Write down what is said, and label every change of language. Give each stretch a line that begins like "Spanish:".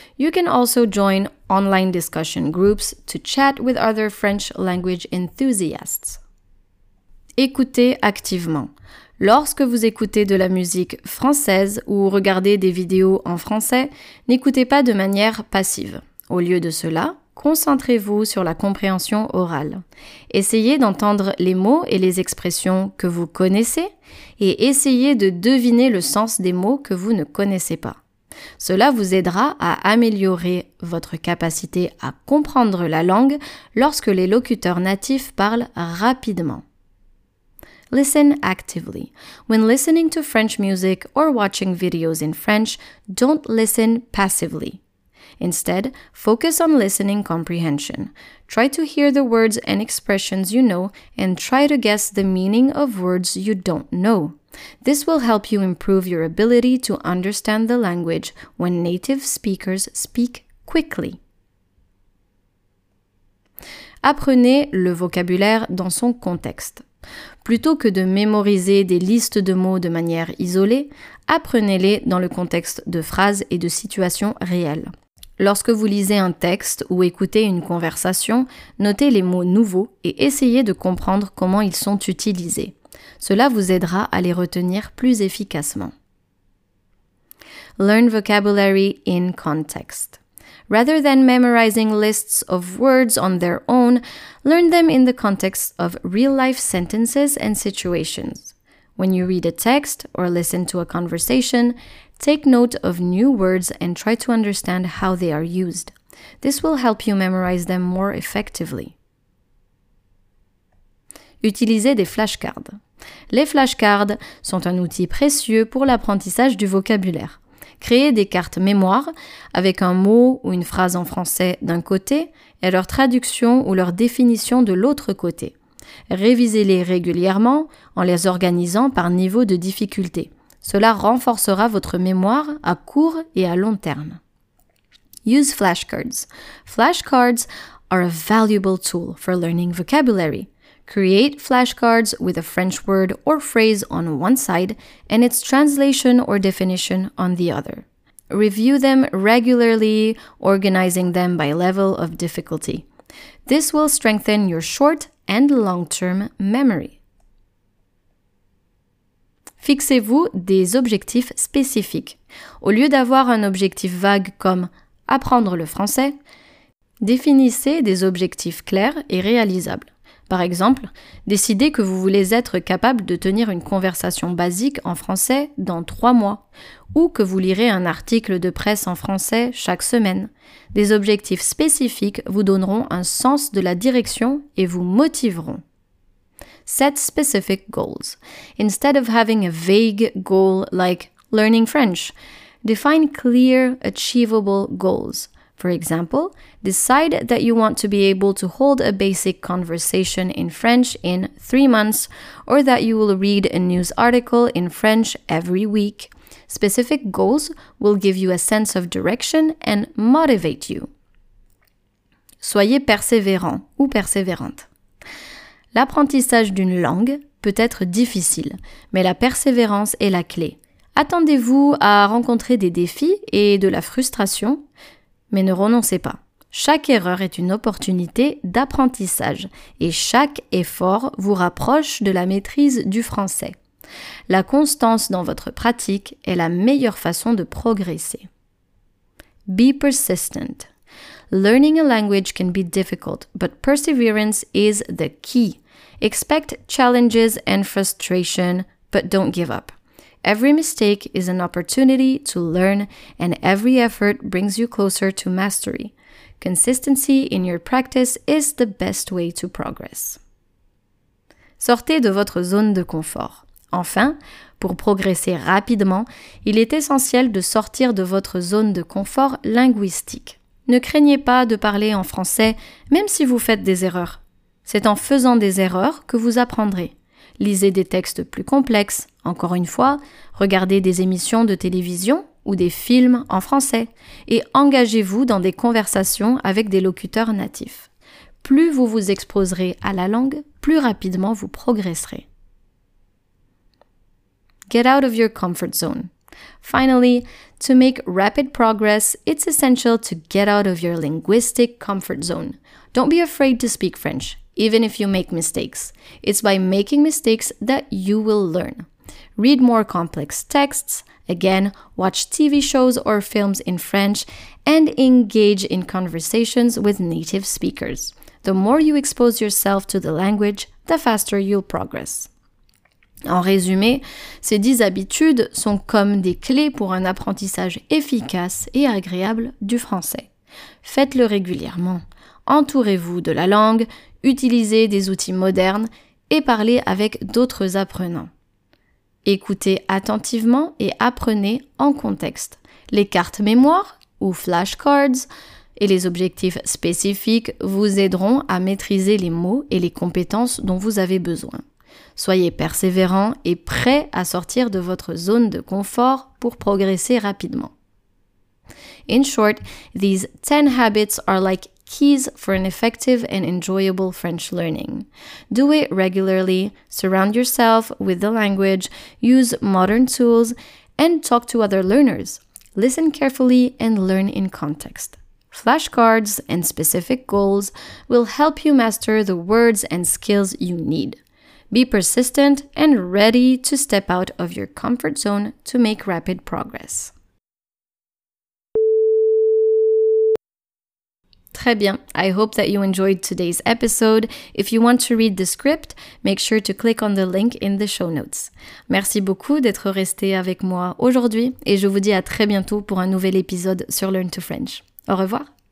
English: You can also join online discussion groups to chat with other French language enthusiasts.
French: Écoutez activement. Lorsque vous écoutez de la musique française ou regardez des vidéos en français, n'écoutez pas de manière passive. Au lieu de cela, concentrez-vous sur la compréhension orale. Essayez d'entendre les mots et les expressions que vous connaissez et essayez de deviner le sens des mots que vous ne connaissez pas. Cela vous aidera à améliorer votre capacité à comprendre la langue lorsque les locuteurs natifs parlent rapidement.
English: Listen actively. When listening to French music or watching videos in French, don't listen passively. Instead, focus on listening comprehension. Try to hear the words and expressions you know and try to guess the meaning of words you don't know. This will help you improve your ability to understand the language when native speakers speak quickly.
French: Apprenez le vocabulaire dans son contexte. Plutôt que de mémoriser des listes de mots de manière isolée, apprenez-les dans le contexte de phrases et de situations réelles. Lorsque vous lisez un texte ou écoutez une conversation, notez les mots nouveaux et essayez de comprendre comment ils sont utilisés. Cela vous aidera à les retenir plus efficacement.
English: Learn vocabulary in context. Rather than memorizing lists of words on their own, learn them in the context of real-life sentences and situations. When you read a text or listen to a conversation, take note of new words and try to understand how they are used. This will help you memorize them more effectively.
French: Utilisez des flashcards. Les flashcards sont un outil précieux pour l'apprentissage du vocabulaire. Créez des cartes mémoire avec un mot ou une phrase en français d'un côté et leur traduction ou leur définition de l'autre côté. Révisez-les régulièrement en les organisant par niveau de difficulté. Cela renforcera votre mémoire à court et à long terme.
English: Use flashcards. Flashcards are a valuable tool for learning vocabulary. Create flashcards with a French word or phrase on one side and its translation or definition on the other. Review them regularly, organizing them by level of difficulty. This will strengthen your short and long-term memory.
French: Fixez-vous des objectifs spécifiques. Au lieu d'avoir un objectif vague comme « apprendre le français », définissez des objectifs clairs et réalisables. Par exemple, décidez que vous voulez être capable de tenir une conversation basique en français dans 3 mois ou que vous lirez un article de presse en français chaque semaine. Des objectifs spécifiques vous donneront un sens de la direction et vous motiveront.
English: Set specific goals. Instead of having a vague goal like learning French, define clear, achievable goals. For example, decide that you want to be able to hold a basic conversation in French in 3 months or that you will read a news article in French every week. Specific goals will give you a sense of direction and motivate you.
French: Soyez persévérant ou persévérante. L'apprentissage d'une langue peut être difficile, mais la persévérance est la clé. Attendez-vous à rencontrer des défis et de la frustration, mais ne renoncez pas. Chaque erreur est une opportunité d'apprentissage et chaque effort vous rapproche de la maîtrise du français. La constance dans votre pratique est la meilleure façon de progresser.
English: Be persistent. Learning a language can be difficult, but perseverance is the key. Expect challenges and frustration, but don't give up. Every mistake is an opportunity to learn, and every effort brings you closer to mastery. Consistency in your practice is the best way to progress.
French: Sortez de votre zone de confort. Enfin, pour progresser rapidement, il est essentiel de sortir de votre zone de confort linguistique. Ne craignez pas de parler en français, même si vous faites des erreurs. C'est en faisant des erreurs que vous apprendrez. Lisez des textes plus complexes, encore une fois, regardez des émissions de télévision ou des films en français et engagez-vous dans des conversations avec des locuteurs natifs. Plus vous vous exposerez à la langue, plus rapidement vous progresserez.
English: Get out of your comfort zone. Finally, to make rapid progress, it's essential to get out of your linguistic comfort zone. Don't be afraid to speak French. Even if you make mistakes, it's by making mistakes that you will learn. Read more complex texts, again, watch TV shows or films in French, and engage in conversations with native speakers. The more you expose yourself to the language, the faster you'll progress.
French: En résumé, ces 10 habitudes sont comme des clés pour un apprentissage efficace et agréable du français. Faites-le régulièrement. Entourez-vous de la langue, utilisez des outils modernes et parlez avec d'autres apprenants. Écoutez attentivement et apprenez en contexte. Les cartes mémoire ou flashcards et les objectifs spécifiques vous aideront à maîtriser les mots et les compétences dont vous avez besoin. Soyez persévérant et prêt à sortir de votre zone de confort pour progresser rapidement.
English: In short, these 10 habits are like keys for an effective and enjoyable French learning. Do it regularly, surround yourself with the language, use modern tools, and talk to other learners. Listen carefully and learn in context. Flashcards and specific goals will help you master the words and skills you need. Be persistent and ready to step out of your comfort zone to make rapid progress.
French: Très bien.
English: I hope that you enjoyed today's episode. If you want to read the script, make sure to click on the link in the show notes.
French: Merci beaucoup d'être resté avec moi aujourd'hui et je vous dis à très bientôt pour un nouvel épisode sur Learn to French. Au revoir.